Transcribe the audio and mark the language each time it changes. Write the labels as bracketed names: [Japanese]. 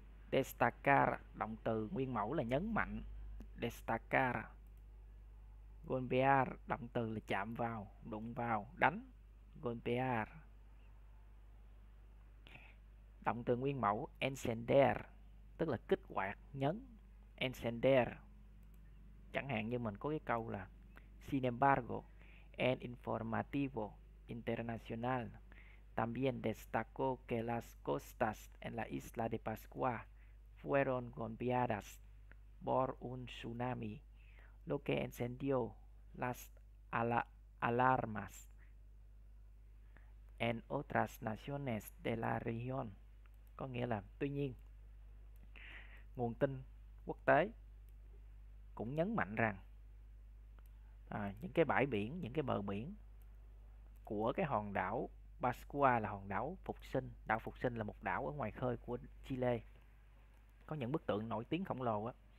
[Vietnamese] Destacar, động từ nguyên mẫu là nhấn mạnh. Destacar. Golpear, động từ là chạm vào, đụng vào, đánh. Golpear. Động từ nguyên mẫu encender, tức là kích hoạt, nhấn. [Spanish] Encender. [Vietnamese] Chẳng hạn như mình có cái câu là [Spanish] sin embargo, el informativo internacional también destacó que las costas en la isla de Pascua fueron golpeadas por un tsunami, lo que encendió las alarmas en otras naciones de la región. [Vietnamese] Có nghĩa là tuy nhiên, nguồn tin quốc tế cũng nhấn mạnh rằng những cái bãi biển, những cái bờ biển của cái hòn đảo Pascua là hòn đảo Phục Sinh. Đảo Phục Sinh là một đảo ở ngoài khơi của Chile. Có những bức tượng nổi tiếng khổng lồ á.